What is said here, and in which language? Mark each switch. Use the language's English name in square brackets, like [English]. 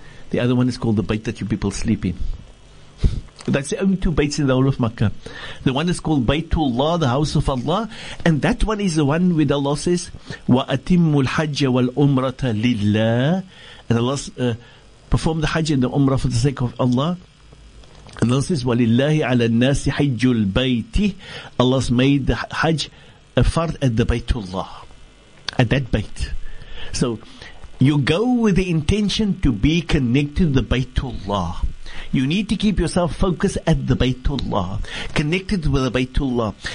[English] The other one is called the bait that you people sleep in. That's the only 2 baits in the whole of Makkah. The one is called Baytullah, the house of Allah. And that one is the one where Allah says, [Arabic] وَأَتِمُّ الْحَجَّ وَالْأُمْرَةَ لِلَّهِ. [English] And Allah perform the Hajj and the Umrah for the sake of Allah. And Allah says, [Arabic] وَلِلَّهِ عَلَى النَّاسِ حَجُّ الْبَيْتِ. [English] Allah's made the Hajj a fard at the Baytullah. At that bait. So, You go with the intention to be connected to the Baytullah. You need to keep yourself focused at the Baytullah, connected with the Baytullah.